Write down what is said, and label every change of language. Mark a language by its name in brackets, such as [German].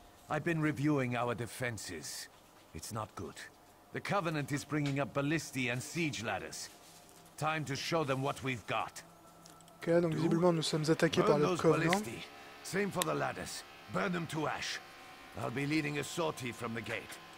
[English] I've been reviewing our defenses. It's not good. The Covenant is bringing up ballistae and siege ladders. Time to show them what we've got. [French] Ok, donc visiblement nous sommes attaqués par le Covenant. [English] Same for the ladders. Burn them to ash. I'll be leading a sortie from the gate.